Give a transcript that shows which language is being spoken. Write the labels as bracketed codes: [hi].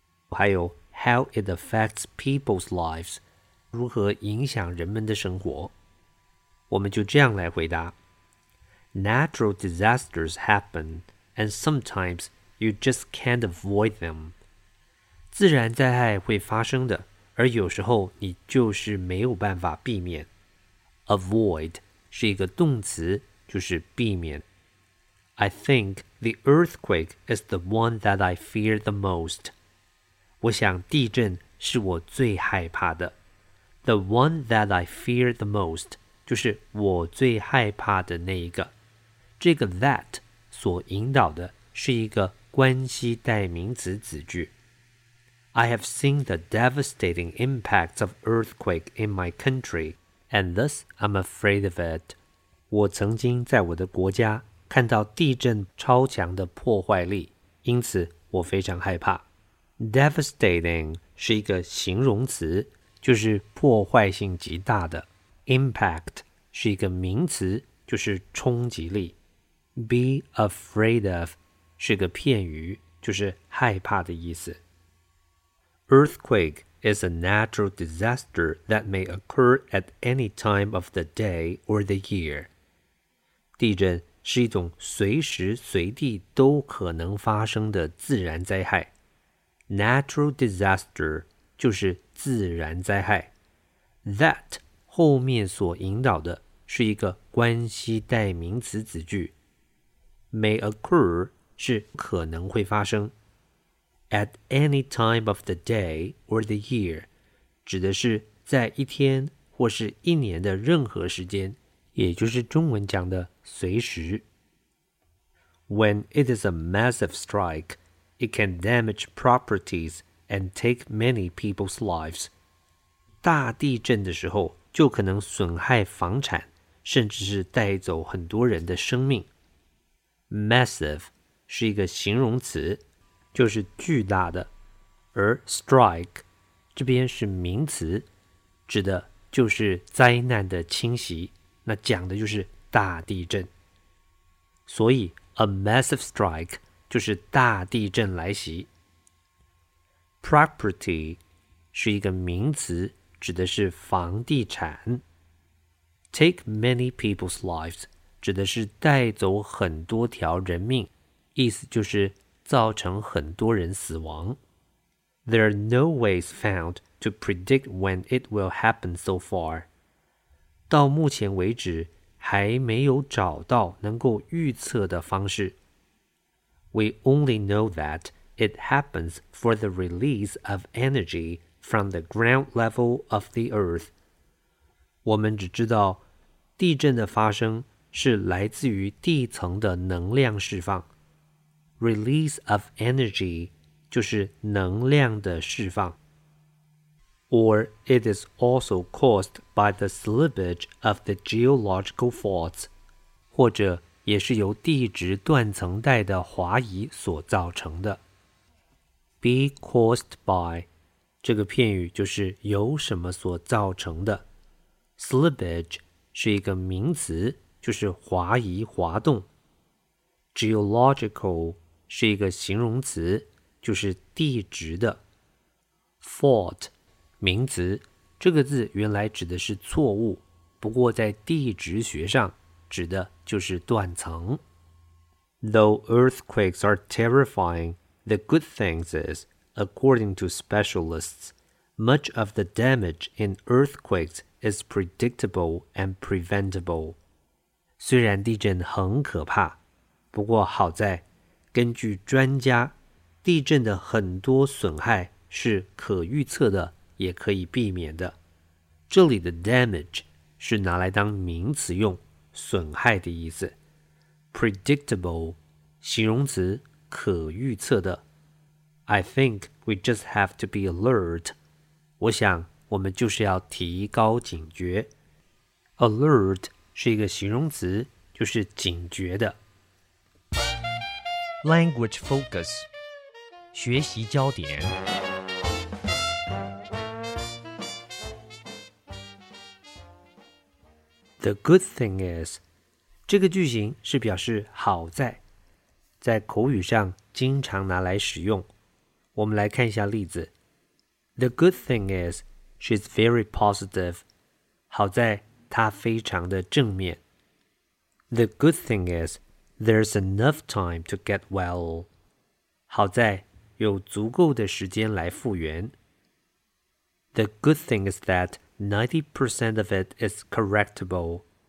[zh] 还有 [en] how it affects people's lives, [zh] 如何影响人们的生活？我们就这样来回答。 [en] Natural disasters happen, and sometimes you just can't avoid them. [zh] 自然灾害会发生的。而有时候你就是没有办法避免。 Avoid 是一个动词，就是避免。 [en] I think the earthquake is the one that I fear the most. [zh] 我想地震是我最害怕的。 [en] The one that I fear the most [zh] 就是我最害怕的那一个。这个 that 所引导的是一个关系代名词子句。 [en] I have seen the devastating impacts of earthquake in my country, and thus I'm afraid of it. [zh] 我曾经在我的国家看到地震超强的破坏力，因此我非常害怕。 Devastating 是一个形容词，就是破坏性极大的。 Impact 是一个名词，就是冲击力。 [en] Be afraid of [zh] 是个片语，就是害怕的意思。 [en] Earthquake is a natural disaster that may occur at any time of the day or the year. [zh] 地震是一种随时随地都可能发生的自然灾害。 [en] Natural disaster [zh] 就是自然灾害。 That 后面所引导的是一个关系代名词子句。 [en] May occur [zh] 是可能会发生。 [en] At any time of the day or the year, [zh] 指的是在一天或是一年的任何时间，也就是中文讲的随时。 [en] When it is a massive strike, it can damage properties and take many people's lives. [zh] 大地震的时候就可能损害房产，甚至是带走很多人的生命。 Massive 是一个形容词。就是巨大的，而 strike 这边是名词，指的就是灾难的侵袭，那讲的就是大地震。所以 [en] a massive strike [zh] 就是大地震来袭。 Property 是一个名词，指的是房地产。 [en] Take many people's lives [zh] 指的是带走很多条人命，意思就是造成很多人死亡。 [en] There are no ways found to predict when it will happen so far. [zh] 到目前为止还没有找到能够预测的方式。 [en] We only know that it happens for the release of energy from the ground level of the earth. [zh] 我们只知道地震的发生是来自于地层的能量释放。 [en] Release of energy [zh] 就是能量的释放。 [en] Or it is also caused by the slippage of the geological faults, [zh] 或者也是由地质断层带的滑移所造成的。 [en] Be caused by [zh] 这个片语就是由什么所造成的。 Slippage 是一个名词，就是滑移滑动。 Geological 是一个形容词，就是地质的。 Fault名词，这个字原来指的是错误，不过在地质学上指的就是断层。 [en] Though earthquakes are terrifying, the good thing is, according to specialists, much of the damage in earthquakes is predictable and preventable. [zh] 虽然地震很可怕，不过好在，根据专家，地震的很多损害是可预测的，也可以避免的。这里的 damage 是拿来当名词用，损害的意思。 predictable 形容词，可预测的。 [en] I think we just have to be alert. [zh] 我想我们就是要提高警觉。 alert 是一个形容词，就是警觉的。 [en] language focus [zh] 学习焦点。 [en] The good thing is, [zh] 这个句型是表示好在，在口语上经常拿来使用。我们来看一下例子。 [en] The good thing is, she's very positive. [zh] 好在她非常的正面。 [en] The good thing is, there's enough time to get well. [zh] 好在有足够的时间来复原。 [en] The good thing is that 90% of it is correctable.